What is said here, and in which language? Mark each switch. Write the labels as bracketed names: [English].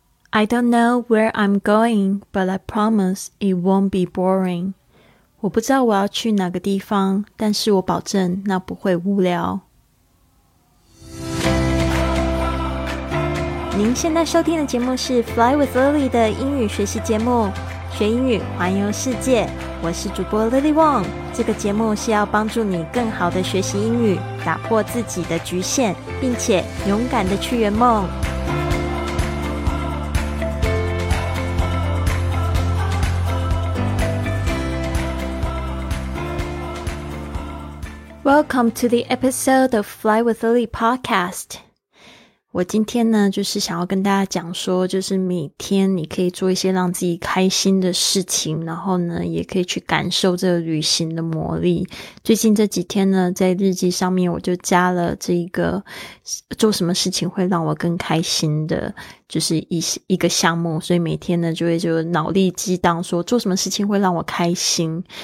[English] I don't know where I'm going, but I promise it won't be boring. [Chinese] 我不知道我要去哪个地方，但是我保证那不会无聊。您现在收听的节目是 Fly with Lily 的英语学习节目，学英语，环游世界。我是主播 Lily Wong。这个节目是要帮助你更好的学习英语，打破自己的局限，并且勇敢的去圆梦。 [English] Welcome to the episode of Fly with Lily podcast. [Chinese] 我今天呢，就是想要跟大家讲说，就是每天你可以做一些让自己开心的事情，然后呢，也可以去感受这个旅行的魔力。最近这几天呢，在日记上面我就加了这个做什么事情会让我更开心的，就是一个项目，所以每天呢就会就脑力激荡说做什么事情会让我开心。